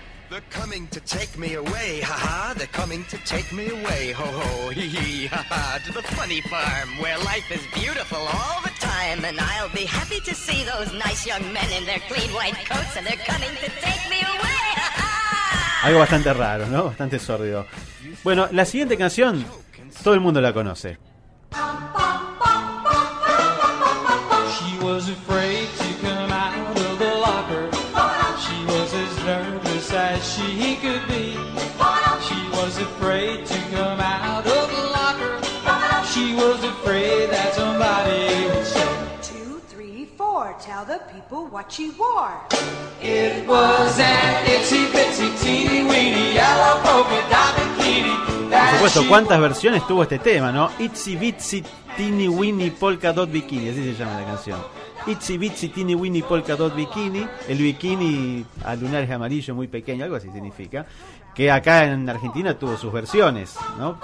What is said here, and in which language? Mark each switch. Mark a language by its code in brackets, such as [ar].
[en] They're coming to take me away, ha-ha, they're coming to take me away, ho-ho, hee-hee, ha-ha, to the funny farm, where life is beautiful all the time, and I'll be happy to see those nice young men in their clean white coats, and they're coming to take me away, ha-ha! [es] Algo bastante raro, ¿no? Bastante sórdido. Bueno, la siguiente canción, todo el mundo la conoce. [en] was afraid to come out of the locker. She was as nervous as she could be. She was afraid to come out of the locker. She was afraid that somebody would say, 2, 3, 4, tell the people what she wore. It was an itsy bitsy teeny weeny yellow polka dot bikini. [es] Por supuesto, ¿cuántas versiones tuvo este tema, no? Itsy Bitsy Teeny Weeny Polka Dot Bikini, así se llama la canción. Itsy Bitsy Teeny Weeny Polka Dot Bikini, el bikini a lunares amarillo muy pequeño, algo así significa, que acá en Argentina tuvo sus versiones, ¿no?